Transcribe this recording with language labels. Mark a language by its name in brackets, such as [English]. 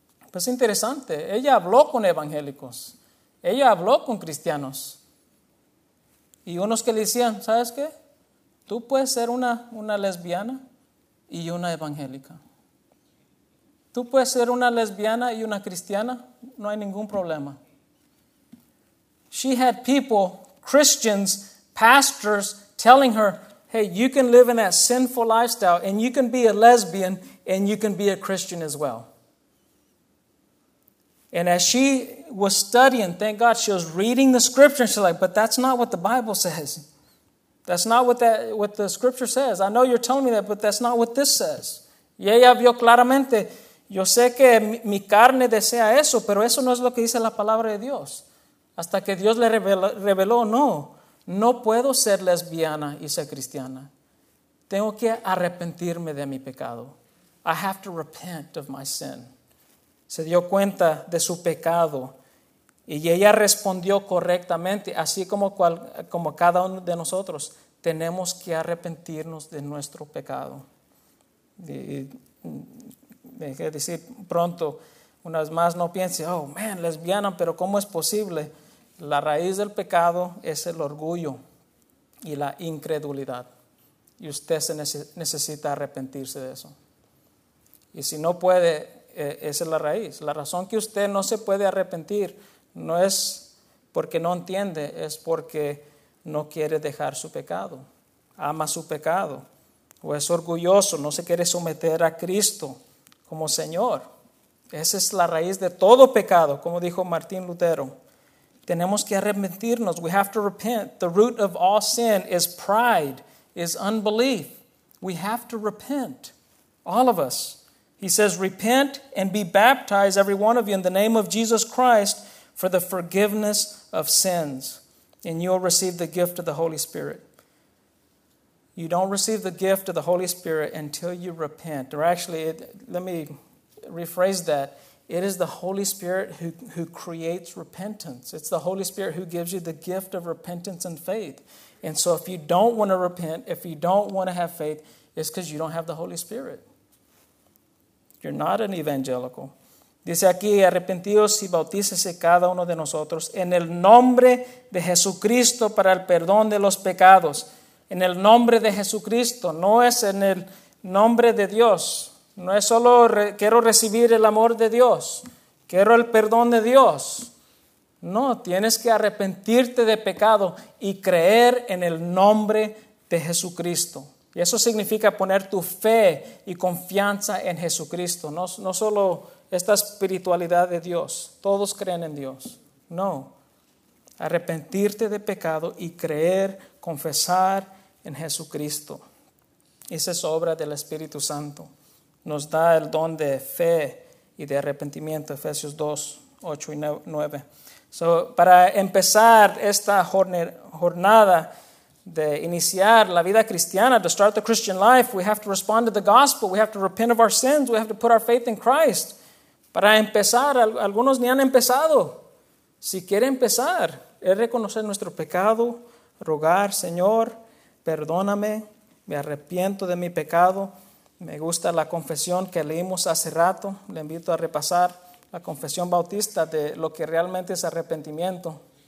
[Spanish] Pues interesante, ella habló con evangélicos. Ella habló con cristianos y unos que le decían, ¿sabes qué? Tú puedes ser una lesbiana y una evangélica. Tú puedes ser una lesbiana y una cristiana, no hay ningún problema. [English] She had people, Christians, pastors, telling her, hey, you can live in that sinful lifestyle and you can be a lesbian and you can be a Christian as well. And as she was studying, thank God, she was reading the scripture. And she's like, but that's not what the Bible says. That's not what the scripture says. I know you're telling me that, but that's not what this says. [Spanish] Y ella vio claramente, yo sé que mi carne desea eso, pero eso no es lo que dice la palabra de Dios. Hasta que Dios le reveló, no puedo ser lesbiana y ser cristiana. Tengo que arrepentirme de mi pecado. [English] I have to repent of my sin. [Spanish] Se dio cuenta de su pecado y ella respondió correctamente, así como cada uno de nosotros. Tenemos que arrepentirnos de nuestro pecado. Y dejé decir pronto, una vez más, no piense, oh man, lesbiana, pero ¿cómo es posible? La raíz del pecado es el orgullo y la incredulidad. Y usted se necesita arrepentirse de eso. Y si no puede, esa es la raíz. La razón que usted no se puede arrepentir no es porque no entiende, es porque no quiere dejar su pecado. Ama su pecado. O es orgulloso, no se quiere someter a Cristo como Señor. Esa es la raíz de todo pecado, como dijo Martín Lutero. Tenemos que arrepentirnos. [English] We have to repent. The root of all sin is pride, is unbelief. We have to repent, all of us. He says, repent and be baptized, every one of you, in the name of Jesus Christ for the forgiveness of sins. And you'll receive the gift of the Holy Spirit. You don't receive the gift of the Holy Spirit until you repent. Or actually, let me rephrase that. It is the Holy Spirit who creates repentance. It's the Holy Spirit who gives you the gift of repentance and faith. And so if you don't want to repent, if you don't want to have faith, it's because you don't have the Holy Spirit. You're not an evangelical. [Spanish] Dice aquí, arrepentíos y bautícese cada uno de nosotros en el nombre de Jesucristo para el perdón de los pecados. En el nombre de Jesucristo, no es en el nombre de Dios. No es solo quiero recibir el amor de Dios. Quiero el perdón de Dios. No, tienes que arrepentirte de pecado y creer en el nombre de Jesucristo. Y eso significa poner tu fe y confianza en Jesucristo. No solo esta espiritualidad de Dios. Todos creen en Dios. No. Arrepentirte de pecado y creer, confesar en Jesucristo. Esa es obra del Espíritu Santo. Nos da el don de fe y de arrepentimiento. Efesios 2, 8 y 9. So, para empezar esta jornada de iniciar la vida cristiana, [English] to start the Christian life, we have to respond to the gospel. We have to repent of our sins. We have to put our faith in Christ. [Spanish] Para empezar, algunos ni han empezado. Si quiere empezar, es reconocer nuestro pecado, rogar, Señor, perdóname, me arrepiento de mi pecado. Me gusta la confesión que leímos hace rato. Le invito a repasar la confesión bautista de lo que realmente es arrepentimiento.